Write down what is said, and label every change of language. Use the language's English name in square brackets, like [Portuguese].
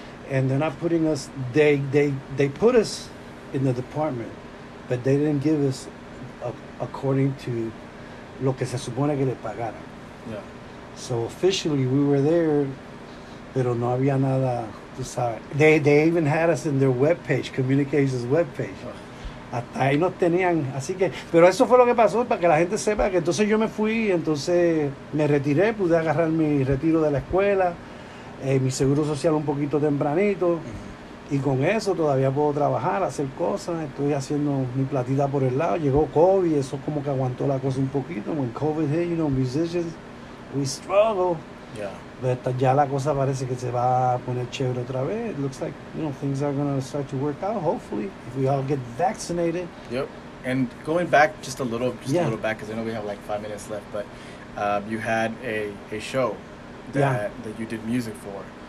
[English] And they're not putting us, they put us in the department, but they didn't give us according to [Spanish] lo que se supone que le pagaran. [English] Yeah. So officially we were there, [Spanish] pero no había nada, tú sabes. [English] They even had us in their webpage, communications webpage. Oh. [Spanish] Hasta ahí nos tenían, así que, pero eso fue lo que pasó, para que la gente sepa que entonces yo me fui, entonces me retiré, pude agarrar mi retiro de la escuela, mi seguro social un poquito tempranito. Uh-huh. Y con eso todavía puedo trabajar, hacer cosas, estoy haciendo mi platita por el lado. Llegó COVID, eso como que aguantó la cosa un poquito. [English] When COVID hit, you know, musicians, we struggle. Yeah. But ya la cosa parece que se va a poner chévere otra vez. It looks like, you know, things are going to start to work out, hopefully, if we all get vaccinated. Yep. And going back just a little back, because I know we have like 5 minutes left, but you had a show. That you did music for,